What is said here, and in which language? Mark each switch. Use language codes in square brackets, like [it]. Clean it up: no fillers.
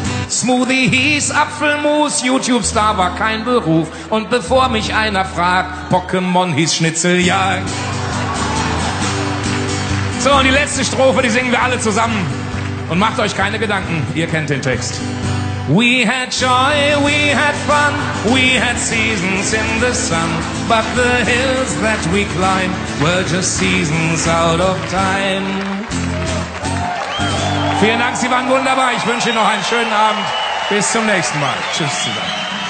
[de] Smoothie hieß Apfelmus, YouTube-Star war kein Beruf. Und bevor mich einer fragt, Pokémon hieß Schnitzeljagd. So, und die letzte Strophe, die singen wir alle zusammen. Und macht euch keine Gedanken, ihr kennt den Text. [en] We had joy, we had fun, we had seasons in the sun. But the hills that we climbed were just seasons out of time. [de] Vielen Dank, Sie waren wunderbar. Ich wünsche Ihnen noch einen schönen Abend. Bis zum nächsten Mal. Tschüss zusammen.